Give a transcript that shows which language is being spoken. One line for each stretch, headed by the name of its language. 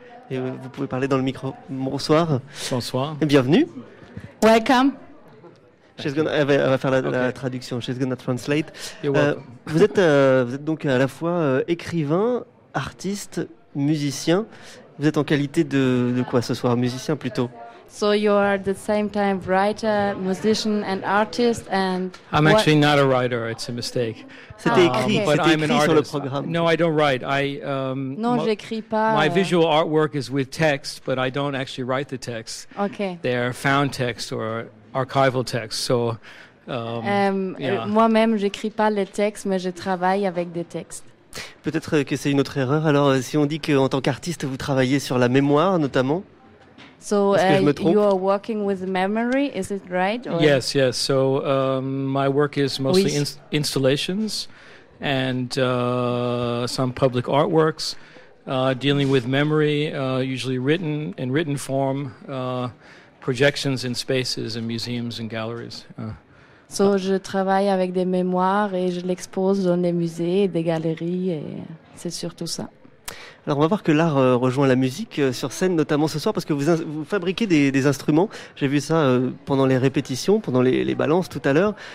French: Et vous pouvez parler dans le micro. Bonsoir. Bonsoir. Et bienvenue.
English: Welcome.
French: Elle va faire la traduction.
English: She's gonna translate.
French: Vous êtes donc à la fois écrivain, artiste, musicien. Vous êtes en qualité de quoi ce soir? Musicien plutôt.
English: So you are at the same time writer, musician and artist and. I'm actually not a writer. It's a mistake.
French: C'était écrit. Okay. C'était écrit sur le programme.
English: No, I don't write.
French: Non, j'écris pas.
English: My visual artwork is with text, but I don't actually write the text. Okay. They are found text or. Archival texts. So,
French: moi-même, j'écris pas les textes, mais je travaille avec des textes. Peut-être que c'est une autre erreur. Alors, si on dit qu'en tant qu'artiste, vous travaillez sur la mémoire, notamment.
English: So,
French: est-ce que je me trompe?
English: You are working with memory. Is it right? Or? Yes, yes. So, my work is mostly installations and some public artworks dealing with memory, usually written in written form. Projections in spaces and museums and galleries.
French: So, je travaille avec des mémoires et je l'expose dans des musées et des galeries et c'est surtout ça. Alors, on va voir que l'art rejoint la musique sur scène, notamment ce soir, parce que vous fabriquez des instruments. J'ai vu ça pendant les répétitions, pendant les balances tout à l'heure.